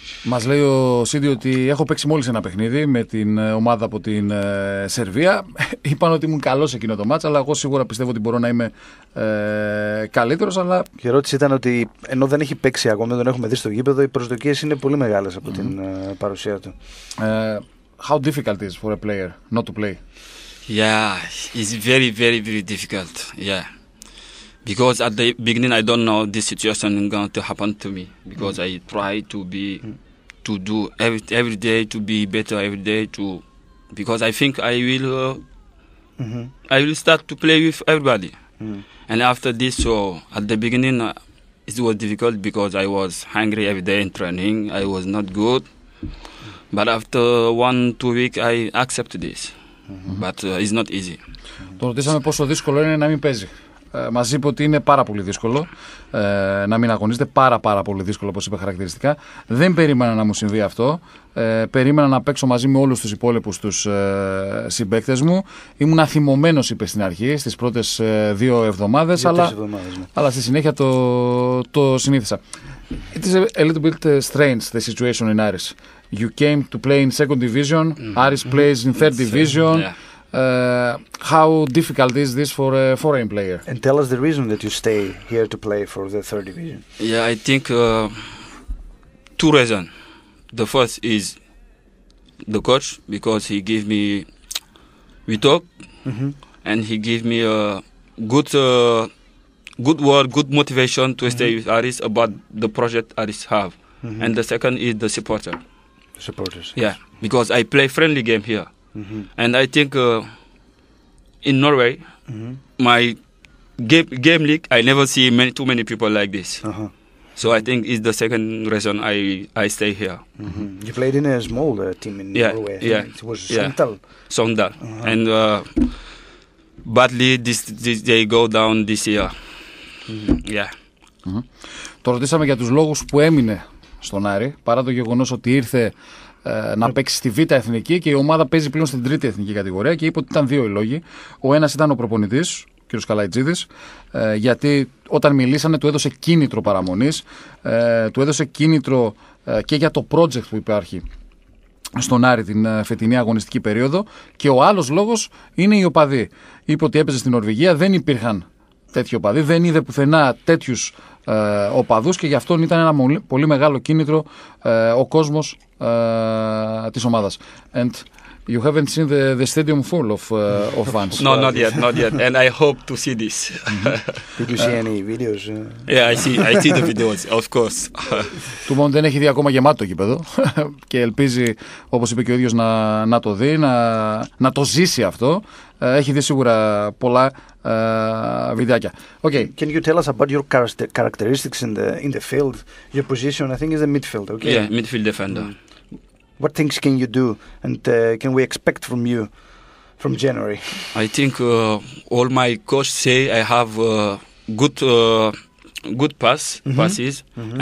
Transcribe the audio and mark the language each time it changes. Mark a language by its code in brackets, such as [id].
[el] Μας λέει ο Σίντι ότι έχω παίξει μόλις ένα παιχνίδι με την ομάδα από την Σερβία. Είπαν ότι ήμουν καλός εκείνο το μάτς, αλλά εγώ σίγουρα πιστεύω ότι μπορώ να είμαι καλύτερος. Αλλά... Η ερώτηση ήταν ότι ενώ δεν έχει παίξει ακόμα, τον έχουμε δει στο γήπεδο, οι προσδοκίες είναι πολύ μεγάλες από την παρουσία του. [en] How difficult is for a player not to play? Yeah, it's very, very, very difficult. Yeah. Because at the beginning I don't know this situation is going to happen to me. Because I try to be, to do every day to be better every day to, because I think I will, I will start to play with everybody. And after this, so at the beginning it was difficult because I was hungry every day in training. I was not good, but after 1-2 weeks I accept this. But it's not easy. [el] Το ρωτήσαμε πόσο δύσκολο είναι να μην παίζει. Μας είπε ότι είναι πάρα πολύ δύσκολο να μην αγωνίζεται, πάρα πολύ δύσκολο όπως είπε χαρακτηριστικά. Δεν περίμενα να μου συμβεί αυτό. Περίμενα να παίξω μαζί με όλους τους υπόλοιπους τους συμπαίκτες μου. Ήμουν αθυμωμένος, είπε στην αρχή, στις πρώτες δύο εβδομάδες, αλλά στη συνέχεια το συνήθισα. [en] It is a little bit strange the situation in Aris. You came to play in second division, Aris plays in third division. Yeah. How difficult is this for a foreign player? And tell us the reason that you stay here to play for the third division. Yeah, I think two reasons. The first is the coach, because he gave me, we talk, and he gave me a good word, good motivation to stay with Aris about the project Aris have. And the second is the supporter. The supporters. Yeah, because I play friendly game here. And I think in Norway, my game league, I never see too many people like this. So I think it's the second reason I stay here. You played in a small team in Norway. Yeah, it was Sogndal. And badly this they go down this year. [el] Το ρωτήσαμε για τους λόγους που έμεινε στον Άρη, παρά το γεγονός ότι ήρθε να παίξει στη Β' Εθνική και η ομάδα παίζει πλέον στην Τρίτη Εθνική κατηγορία, και είπε ότι ήταν δύο οι λόγοι. Ο ένας ήταν ο προπονητής, ο κ. Καλαϊτζίδης, γιατί όταν μιλήσανε του έδωσε κίνητρο παραμονής, του έδωσε κίνητρο και για το project που υπάρχει στον Άρη την φετινή αγωνιστική περίοδο. Και ο άλλος λόγος είναι οι οπαδοί. Είπε ότι έπαιζε στην Νορβηγία, δεν υπήρχαν τέτοιοι οπαδοί, δεν είδε πουθενά τέτοιους οπαδούς και γι' αυτόν ήταν ένα πολύ μεγάλο κίνητρο ο κόσμος της ομάδας. [en] And you haven't seen the stadium full of fans. No, not yet, not yet. And I hope to see this. Mm-hmm. Did you see any videos? Yeah, I see the videos, of course. [el] Του μόνο δεν έχει δει ακόμα γεμάτο το γήπεδο και ελπίζει, όπως είπε και ο ίδιος, να το δει, να το ζήσει αυτό. Έχει δει σίγουρα πολλά βιντεάκια. [en] Okay. Can you tell us about your characteristics in the field? Your position, I think, is the midfield, okay? Yeah, midfield defender. Mm-hmm. What things can you do and can we expect from you from January? I think all my coach say I have good pass, mm-hmm. passes, mm-hmm.